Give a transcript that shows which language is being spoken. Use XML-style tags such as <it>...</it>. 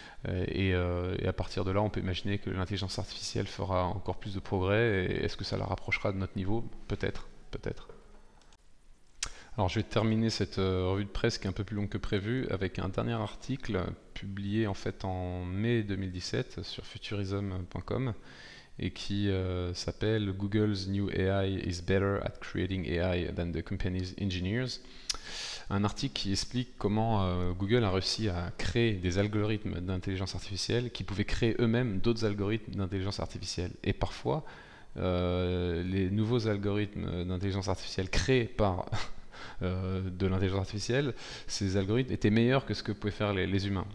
<fr>Et à partir de là, on peut imaginer que l'intelligence artificielle fera encore plus de progrès. Est-ce que ça la rapprochera de notre niveau? Peut-être, peut-être. Alors je vais terminer cette revue de presse qui est un peu plus longue que prévu avec un dernier article publié en fait en mai 2017 sur futurism.com. Et qui s'appelle</fr> <en>Google's New AI is better at creating AI than the company's engineers.</en> <fr>Un article qui explique comment Google a réussi à créer des algorithmes d'intelligence artificielle qui pouvaient créer eux-mêmes d'autres algorithmes d'intelligence artificielle. Et parfois, les nouveaux algorithmes d'intelligence artificielle créés par de l'intelligence artificielle, ces algorithmes étaient meilleurs que ce que pouvaient faire les humains.</fr>